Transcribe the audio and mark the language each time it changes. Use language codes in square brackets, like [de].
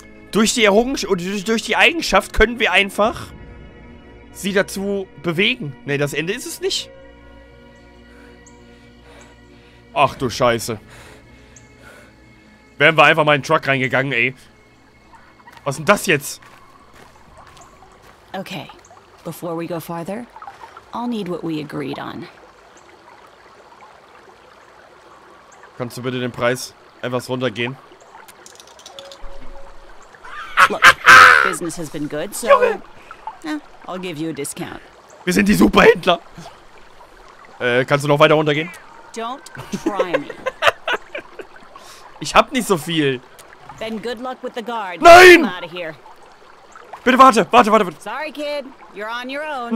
[de] Durch die Errungenschaft oder durch die Eigenschaft können wir einfach sie dazu bewegen. Nee, das Ende ist es nicht. Ach du Scheiße. Wären wir einfach mal in den Truck reingegangen, ey. Was ist denn das jetzt? [en] Okay, before we go farther, I'll need what we agreed on. [de] Kannst du bitte den Preis etwas runtergehen? [en] Look, business has been good, so I'll give you a discount. [de] Wir sind die Superhändler. Kannst du noch weiter runtergehen? [en] Don't try me. [de] Ich hab nicht so viel. [en] Then good luck with the guard. [de] Nein! [en] I'm out of here. [de] Bitte warte, warte, warte, warte. [en] Sorry, kid, you're on your own.